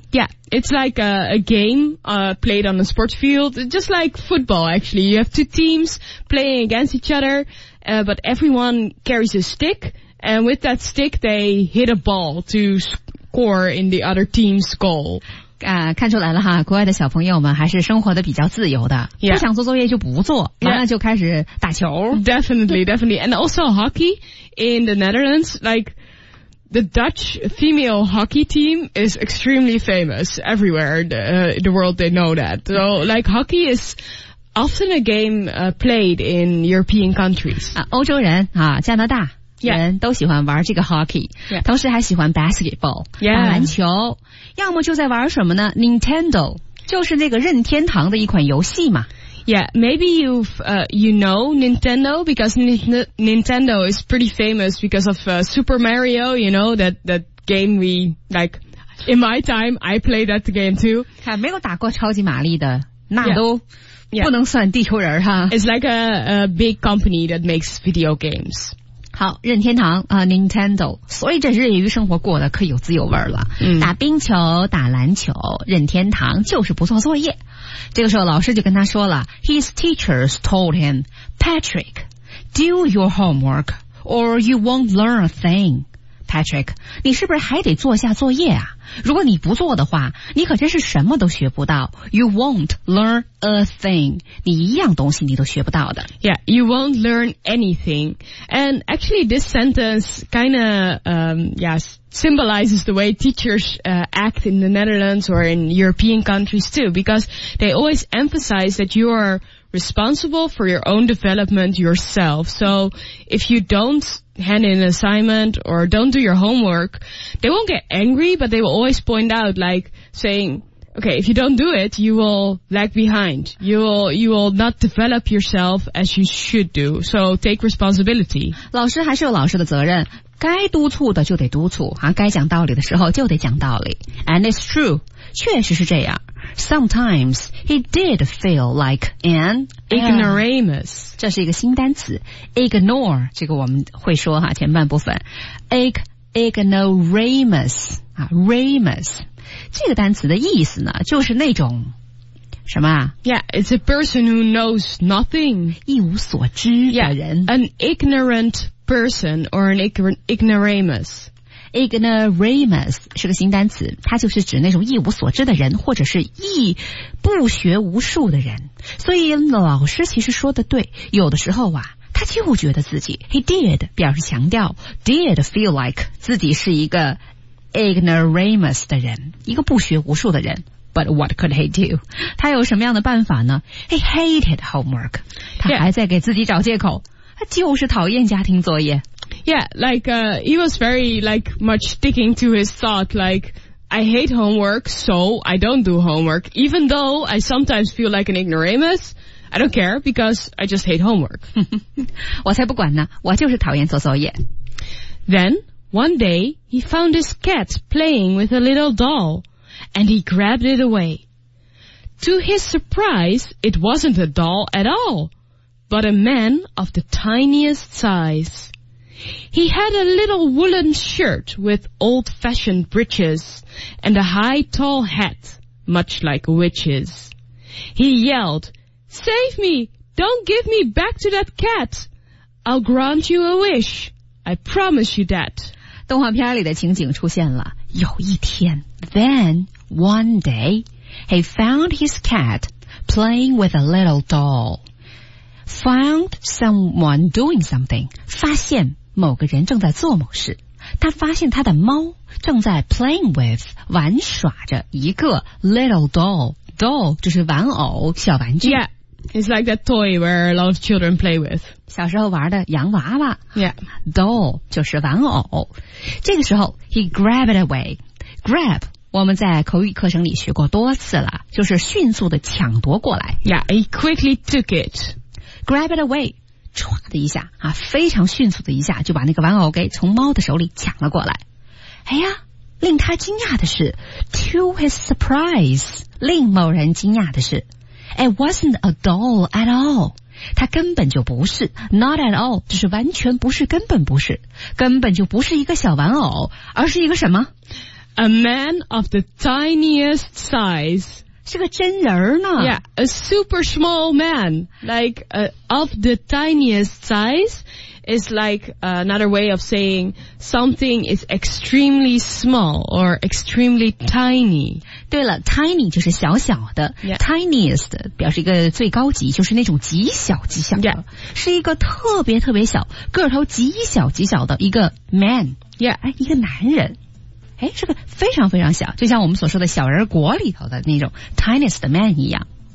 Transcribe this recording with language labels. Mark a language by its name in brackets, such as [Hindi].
[English] Yeah, it's like a game played on a sports field, just like football actually. You have two teams playing against each other, but everyone carries a stick, and with that stick they hit a ball to score in the other team's goal. [Chinese] 看出来了哈，国外的小朋友们还是生活的比较自由的、 [English] yeah. [Chinese] 不想做作业就不做，完了就开始打球。 [English] Definitely, definitely. And also hockey in the Netherlands, likeThe Dutch female hockey team is extremely famous everywhere in the world. They know that. So, like, hockey is often a game played in European countries. [Chinese] 欧洲人啊，加拿大人、都喜欢玩这个 hockey，、 [English] yeah. [Chinese] 同时还喜欢 basketball、 [English] yeah. [Chinese] 打篮球，要么就在玩什么呢 ？Nintendo 就是那个任天堂的一款游戏嘛。 [English] Yeah, maybe you know Nintendo because Nintendo is pretty famous because of Super Mario, you know, that game we, like, in my time, I played that game too. [Chinese] 看没有打过超级玛丽的那都 [English] yeah, [Chinese] 不能算地球人哈。 [English] It's like a big company that makes video games. [Chinese] 好，任天堂啊、Nintendo， 所以这日语生活过得可有滋有味了。嗯，打冰球、打篮球，任天堂就是不做作业。这个时候老师就跟他说了 [English] ，His teachers told him, Patrick, do your homework or you won't learn a thing. [Chinese] Patrick， 你是不是还得做下作业啊？如果你不做的话，你可真是什么都学不到。 [English] You won't learn a thing. [Chinese] 你一样东西你都学不到的。 [English] Yeah, you won't learn anything. And actually this sentence kind of, symbolizes the way teachers act in the Netherlands or in European countries too, because they always emphasize that you are responsible for your own development yourself. So if you don't hand in an assignment or don't do your homework, they won't get angry, but they will always point out, like saying, okay, if you don't do it, you will lag behind. You will not develop yourself as you should do. So take responsibility. [Chinese] 老师还是有老师的责任，该督促的就得督促啊，该讲道理的时候就得讲道理。 [English] And it's true. [Chinese] 确实是这样。 [English] Sometimes he did feel like an ignoramus. [Chinese] 这是一个新单词。 Ignore, 这个我们会说哈，前半部分。 Ignoramus, 啊 ,ramus。这个单词的意思呢就是那种什么 [English] ?Yeah, it's a person who knows nothing. [Chinese] 一无所知的人。 [English] Yeah, an ignorant person or an ignoramus. [Chinese] Ignoramus 是个新单词，它就是指那种一无所知的人，或者是一不学无术的人。所以老师其实说的对，有的时候啊，他就觉得自己 ， [English] he did [Chinese] 表示强调 ， [English] did feel like [Chinese] 自己是一个 ignoramus 的人，一个不学无术的人。 [English] But what could he do? [Chinese] 他有什么样的办法呢 [English] ？He hated homework. [Chinese] 他还在给自己找借口，他就是讨厌家庭作业。 [English] Yeah, like, he was very, like, much sticking to his thought, like, I hate homework, so I don't do homework. Even though I sometimes feel like an ignoramus, I don't care because I just hate homework. 我才不管呢，我就是讨厌做作业。 Then, one day, he found his cat playing with a little doll, and he grabbed it away. To his surprise, it wasn't a doll at all, but a man of the tiniest size. He had a little woolen shirt with old-fashioned breeches and a high, tall hat, much like a witch's. He yelled, Save me! Don't give me back to that cat! I'll grant you a wish. I promise you that. [Chinese] 动画片里的情景出现了。有一天 [English] ,then, one day, he found his cat playing with a little doll. Found someone doing something. [Chinese] 发现某个人正在做某事，他发现他的猫正在 [English] playing with [Chinese] 玩耍着一个 [English] little doll. [Chinese] Doll 就是玩偶，小玩具。 [English] Yeah, it's like that toy where a lot of children play with. [Chinese] 小时候玩的洋娃娃。 [English] Yeah, [Chinese] doll 就是玩偶。这个时候 ， [English] he grabbed it away. [Chinese] Grab 我们在口语课程里学过多次了，就是迅速的抢夺过来。 [English] Yeah, he quickly took it. Grab it away. [Chinese] 唰的一下啊，非常迅速的一下就把那个玩偶给从猫的手里抢了过来。哎呀，令他惊讶的是 ， [English] to his surprise， [Chinese] 令某人惊讶的是 ， [English] it wasn't a doll at all， [Chinese] 它根本就不是 ， [English] not at all， [Chinese] 就是完全不是，根本不是，根本就不是一个小玩偶，而是一个什么 [English] ？A man of the tiniest size。 [Chinese] 是个真人呢 [English] Yeah, a super small man Like, of the tiniest size Is like another way of saying Something is extremely small Or extremely tiny [Chinese] 对了 ,tiny 就是小小的、 [English] yeah. [Chinese] Tiniest 表示一个最高级就是那种极小极小的、 [English] yeah. [Chinese] 是一个特别特别小个头极小极小的一个 man [English] Yeah, [Chinese] 一个男人哎，是个非常非常小，就像我们所说的小人国里头的那种 tiniest man 一样。